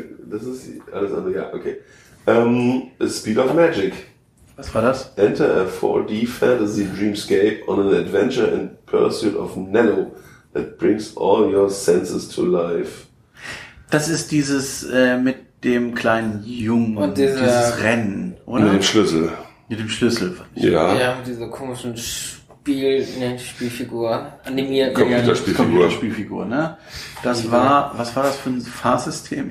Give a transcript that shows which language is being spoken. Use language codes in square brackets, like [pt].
[de] Das ist alles andere, ja, okay. [en] Speed of Magic. [de] Was war das? [en] Enter a 4D Fantasy Dreamscape on an adventure in pursuit of Nello that brings all your senses to life. [de] Das ist dieses mit dem kleinen Jungen und dieses Rennen, oder? Mit dem Schlüssel. Ja. Ja, mit dieser komischen Spielfigur, animiert. Computerspielfigur, ne? Das war, was war das für ein Fahrsystem?